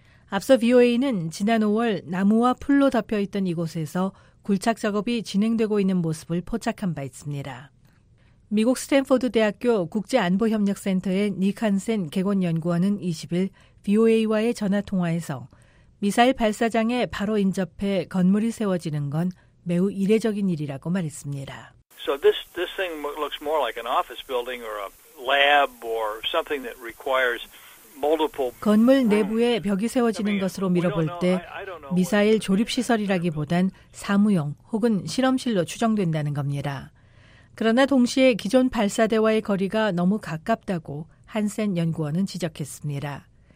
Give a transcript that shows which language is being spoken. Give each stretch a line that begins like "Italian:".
Korean: 앞서 VOA는 지난 5월 나무와 풀로 덮여 있던 이곳에서 굴착 작업이 진행되고 있는 모습을 포착한 바 있습니다. 미국 스탠퍼드 대학교 국제안보협력센터의 니칸센 객원연구원은 20일 VOA와의 전화통화에서 미사일 발사장에 바로 인접해 건물이 세워지는 건 매우 이례적인 일이라고 말했습니다.
English: So this thing looks more like an office building or a lab or something that requires
Korean: 건물 내부에 벽이 세워지는 것으로 미뤄볼 때 미사일 조립시설이라기보단 사무용 혹은 실험실로 추정된다는 겁니다. 그러나 동시에 기존 발사대와의 거리가 너무 가깝다고 한센 연구원은 지적했습니다.